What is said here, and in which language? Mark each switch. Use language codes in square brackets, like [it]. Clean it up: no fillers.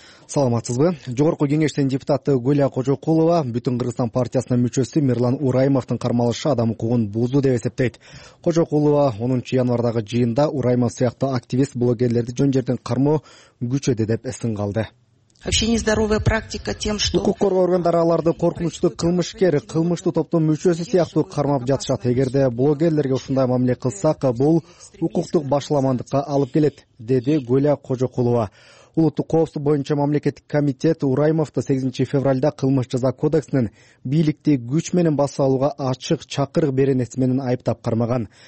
[ky] Саламатсызбы. Жогорку кеңештин депутаты Гүлия Кожокулова бүтүн Кыргызстан партиясынын мүчөсү Мирлан Ураимовдун кармалышы адам укугун бузду деп эсептейт. Кожокулова 10 январдагы жыйында Ураимов сыяктуу активист блогерлерди жөн жерден кармоо күчөдү деп эсин калды. [ru] Вообще нездоровая практика тем, что [ky] укук коргоо органдары аларды коркунучтуу кылмышкер, кылмыштуу топтун мүчөсү сыяктуу кармап жатышат. Эгерде блогерлерге ушундай мамиле кылсак, бул укуктук башламандыкка алып келет, деди Гүлия Кожокулова. Улуттук коопсуздук боюнча мамлекеттик комитет Ураимовду 8 февралда кылмыш жаза кодексинин бийликти күч менен басып алууга ачык чакырык беренеси менен айыптап кармаган.